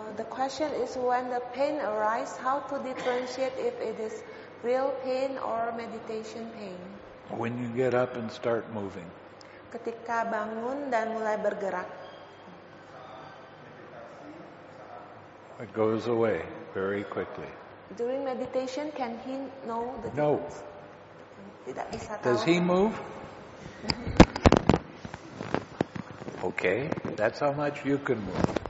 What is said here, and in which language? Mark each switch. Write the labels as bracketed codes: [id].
[en] Question is when the pain arises, how to differentiate if it is real pain or meditation pain? When you get up and start moving. [id] Ketika bangun dan mulai bergerak. [en] It goes away very quickly. During meditation, can he know the No. Does he move? Okay, that's how much you can move.